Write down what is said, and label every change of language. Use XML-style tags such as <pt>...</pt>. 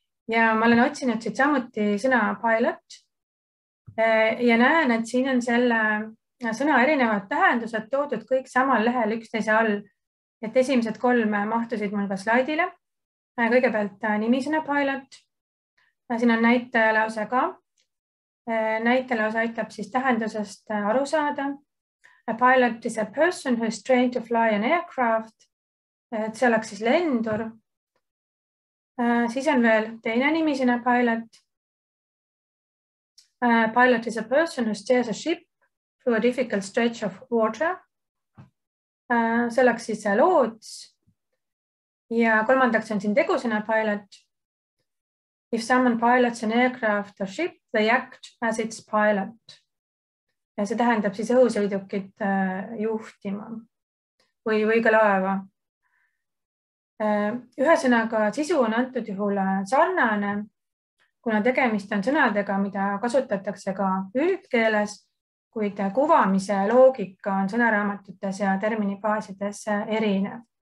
<et>Ja ma olen otsinud siit samuti sõna pilot ja näen, et siin on selle sõna erinevad tähendused toodud kõik samal lehel üksteise all, et esimesed kolm mahtusid mul ka slaidile. Kõigepealt nimisõna pilot. Siin on näitelause ka. Näitelause aitab siis tähendusest aru saada.</et> <en>A pilot is a person who is trained to fly an aircraft.</en> <et>Et see oleks siis lendur. Siis on veel teine nimisõna pilot.</et> <en>A pilot is a person who steers a ship through a difficult stretch of water.</en> <et>See oleks siis loots. Ja kolmandaks on siin tegusõna pilot.</et> <en>If someone pilots an aircraft or ship, they act as its pilot.</en> <et>Ja see tähendab siis õhusõidukit juhtima või ka laeva. Ühesõnaga sisu on antud juhul sarnane, kuna tegemist on sõnadega, mida kasutatakse ka üldkeeles, kuid kuvamise loogika on sõnaraamatutes ja terminibaasides erinev.</et>